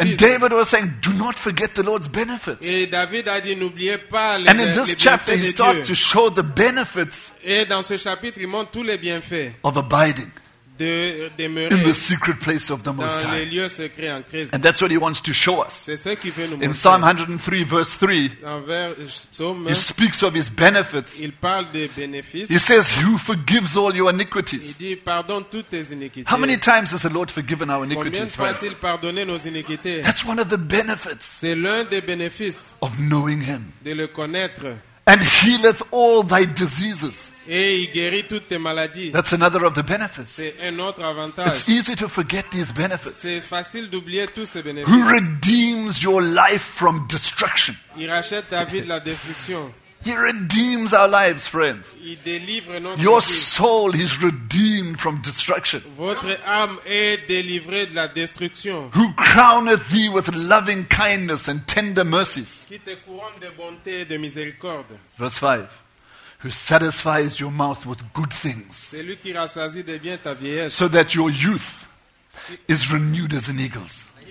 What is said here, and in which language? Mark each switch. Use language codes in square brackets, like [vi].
[en] And David was saying, do not forget the Lord's benefits. [fr] Et David a dit, n'oubliez pas les [en] and in this chapter, he starts to show the benefits [fr] et dans ce chapitre, il montre tous les bienfaits [en] of abiding [fr] de demeurer [en] in the secret place of the Most High. [fr] Dans les lieux secrets en Christ. [en] And that's what he wants to show us. [fr] C'est ce qu'il veut nous [en] in Psalm 103, verse 3, [fr] psaume, [en] he speaks of his benefits. [fr] Il parle des bénéfices. [en] He says, who forgives all your iniquities? [fr] Il dit, pardonne toutes tes iniquités. [en] How many times has the Lord forgiven our iniquities? [fr] Combien fois-t-il pardonné nos iniquités? [en] That's one of the benefits [fr] c'est l'un des bénéfices [en] of knowing him. [fr] De le connaître. [en] And healeth all thy diseases. [fr] Et il guérit toutes tes maladies. [en] That's another of the benefits. [fr] C'est un autre avantage. [en] It's easy to forget these benefits. [fr] C'est facile d'oublier tous ces bénéfices. [en] Who redeems your life from destruction? [fr] Il rachète ta vie de la destruction. [en] He redeems our lives, friends. [fr] Il délivre notre [en] your [fr] vie. [en] Soul is redeemed from destruction. [fr] Votre âme est délivrée de la destruction. [en] Who crowneth thee with loving kindness and tender mercies. [fr] Qui te couronne de bonté et de miséricorde. [en] Verse 5. Who satisfies your mouth with good things. [fr] C'est lui qui rassasie de bien ta vieillesse. [en] So that your youth is renewed as an eagle's.